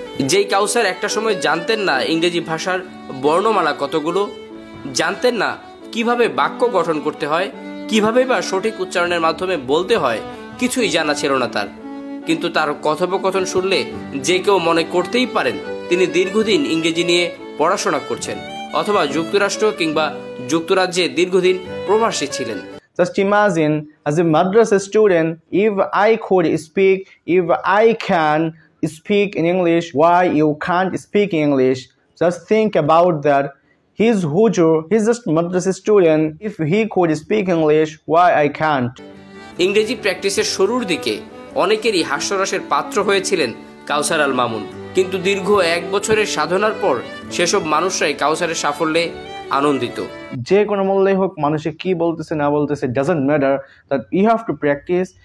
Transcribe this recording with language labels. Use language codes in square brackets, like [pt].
[bn] যেই কাউসার একটা সময় জানতেন না ইংরেজি ভাষার বর্ণমালা কতগুলো, জানতেন না কিভাবে বাক্য গঠন করতে হয়, কিভাবে বা সঠিক উচ্চারণের মাধ্যমে বলতে হয়, কিছুই জানা ছিল না তার। কিন্তু তার কথোপকথন শুনলে যে কেউ মনে করতেই পারেন তিনি দীর্ঘদিন ইংরেজি নিয়ে পড়াশোনা করছেন অথবা যুক্তরাষ্ট্র কিংবা যুক্তরাজ্যে দীর্ঘদিন প্রবাসী ছিলেন। [en] Just imagine, as a Madras student, if I could speak, if I can speak in English, why you can't speak English? Just think about that. He's Hujur, he's just Madras student. If he could speak English, why I can't? [bn] ইংরেজি প্র্যাকটিসের শুরুর দিকে অনেকেরই হাস্যরসের পাত্র হয়েছিলেন কাউসার আল মামুন, কিন্তু দীর্ঘ এক বছরের সাধনার পর সেসব মানুষরাই কাউসারের সাফল্যে আনন্দিত। যে কোনো মূল্যেই হোক, মানুষে কি বলতেছে না বলতেছে [en] Doesn't matter, that you have to practice.